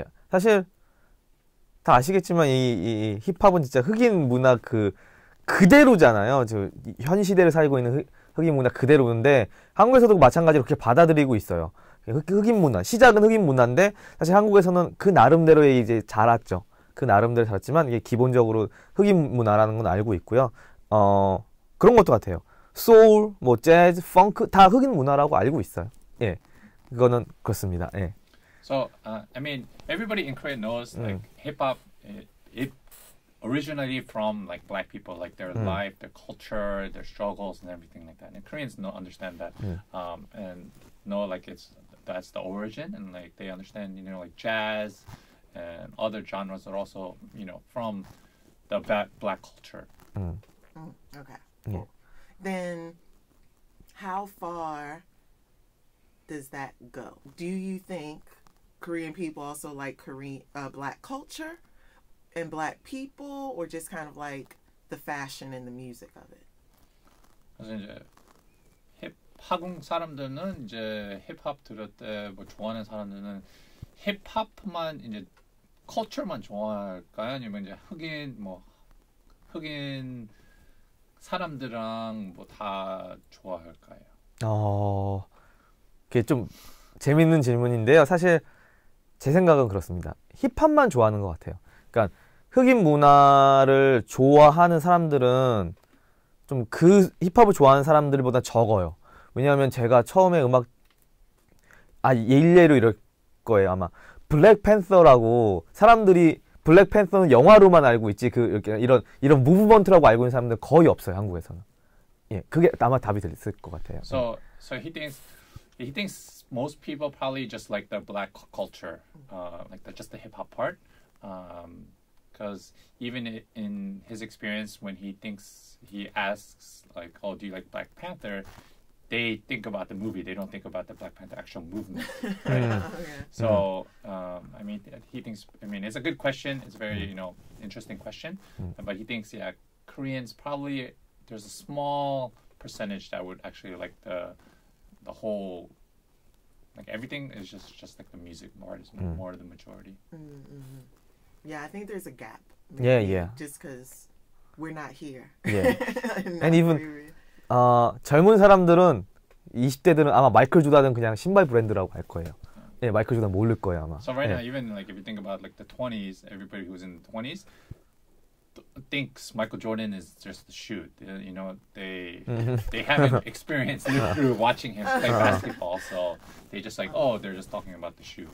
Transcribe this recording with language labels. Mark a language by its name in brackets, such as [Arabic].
[Korean] 사실 다 아시겠지만 이 힙합은 진짜 흑인 문화 그대로잖아요 저 현 시대를 살고 있는 흑인 문화 그대로인데 한국에서도 마찬가지로 그렇게 받아들이고 있어요. 흑인 문화. 시작은 흑인 문화인데 사실 한국에서는 그 나름대로의 이제 자랐죠. 그 나름대로 자랐지만 이게 기본적으로 흑인 문화라는 건 알고 있고요. 그런 것도 같아요. 소울, 뭐 재즈, 펑크 다 흑인 문화라고 알고 있어요. 예. 그거는 그렇습니다. 예. [English] So, I mean everybody in Korea knows like hip-hop it originally from like black people, like their life, their culture, their struggles and everything like that. And Koreans don't understand that. And know like it's that's the origin and like they understand, you know, like jazz and other genres are also, you know, from the black culture. Okay. Cool. Then how far does that go? Do you think Korean people also like Korean black culture and black people or just kind of like the fashion and the music of it? [Korean] 한국 사람들은 이제 힙합 들을 때 뭐 좋아하는 사람들은 힙합만 이제 컬처만 좋아할까요? 아니면 이제 흑인 뭐 흑인 사람들랑 뭐 다 좋아할까요? 그게 좀 재밌는 질문인데요. 사실 제 생각은 그렇습니다. 힙합만 좋아하는 것 같아요. 그러니까 흑인 문화를 좋아하는 사람들은 좀 그 힙합을 좋아하는 사람들보다 적어요. 왜냐하면 제가 처음에 음악 예일예로 이럴 거예요 아마 블랙팬서라고 사람들이 블랙팬서는 영화로만 알고 있지 그 이렇게 이런 무브먼트라고 알고 있는 사람들 거의 없어요 한국에서는 예 그게 아마 답이 됐을 것 같아요. [English] So he thinks most people probably just like the black culture, like just the hip hop part, because even in his experience when he asks like, oh, do you like Black Panther? They think about the movie. They don't think about the Black Panther actual movement. Right? Okay. So, I mean, he thinks, I mean, it's a good question. It's a very, you know, interesting question. But he thinks, yeah, Koreans probably, there's a small percentage that would actually like the whole, like everything is just like the music part is more of the majority. Mm-hmm. Yeah, I think there's a gap. Maybe, yeah, yeah. Just because we're not here. Yeah. and even... [Korean] 젊은 사람들은 20대들은 아마 마이클 조던은 그냥 신발 브랜드라고 할 거예요. 예, 마이클 조던 모를 거예요 아마. [English] So right now, even like if you think about like the 20s, everybody who's in the 20s thinks Michael Jordan is just the shoe. You know, they haven't experienced it through watching him play basketball, so they just like, oh, they're just talking about the shoe.